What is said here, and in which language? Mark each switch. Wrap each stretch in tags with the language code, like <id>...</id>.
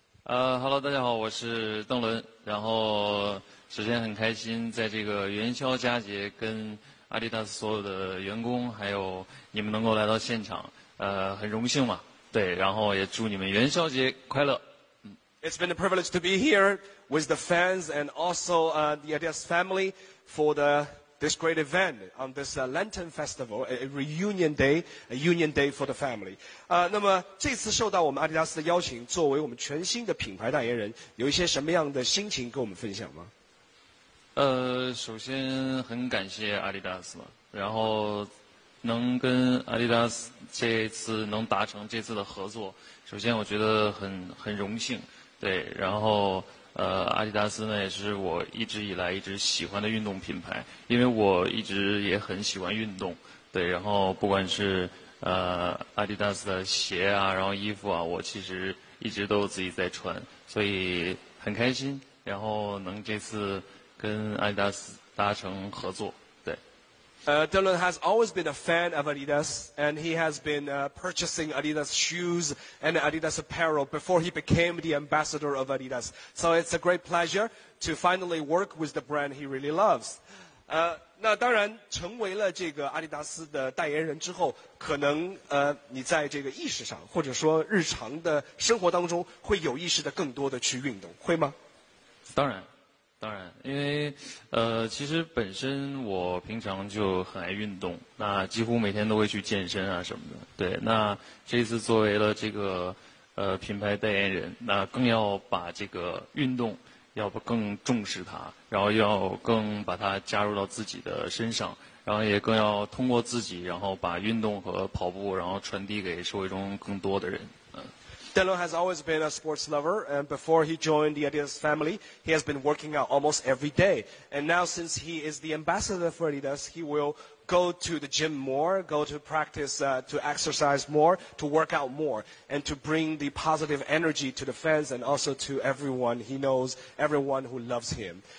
<en>Hello</en> <zh>大家好，我是邓伦，然后首先很开心在这个元宵佳节跟阿迪达斯所有的员工还有你们能够来到现场，很荣幸嘛。对，然后也祝你们元宵节快乐。</zh> <en>It's been a privilege to be here with the fans and also the Adidas family for this great event on this Lantern Festival, a reunion day, a union day for the family.</en> <zh>那么这次受到我们阿迪达斯的邀请，作为我们全新的品牌代言人，有一些什么样的心情跟我们分享吗？首先很感谢阿迪达斯嘛，然后能跟阿迪达斯这次能达成这次的合作，首先我觉得很荣幸，对，然后阿迪达斯呢也是我一直以来一直喜欢的运动品牌，因为我一直也很喜欢运动，对，然后不管是阿迪达斯的鞋啊，然后衣服啊，我其实一直都自己在穿，所以很开心，然后能这次跟阿迪达斯达成合作，对。</zh> <en>Dylan has always been a fan of Adidas, and he has been purchasing Adidas shoes and Adidas apparel before he became the ambassador of Adidas. So it's a great pleasure to finally work with the brand he really loves.</en> <zh>那当然，成为了这个阿迪达斯的代言人之后，可能你在这个意识上或者说日常的生活当中会有意识的更多的去运动，会吗？当然。当然，因为其实本身我平常就很爱运动，那几乎每天都会去健身啊什么的。对，那这次作为了这个品牌代言人，那更要把这个运动要更重视它，然后要更把它加入到自己的身上，然后也更要通过自己，然后把运动和跑步然后传递给社会中更多的人。</zh> <en>Dylan has always been a sports lover, and before he joined the Adidas family, he has been working out almost every day. And now since he is the ambassador for Adidas, he will go to the gym more, go to practice, to exercise more, to work out more, and to bring the positive energy to the fans and also to everyone he knows, everyone who loves him.</en>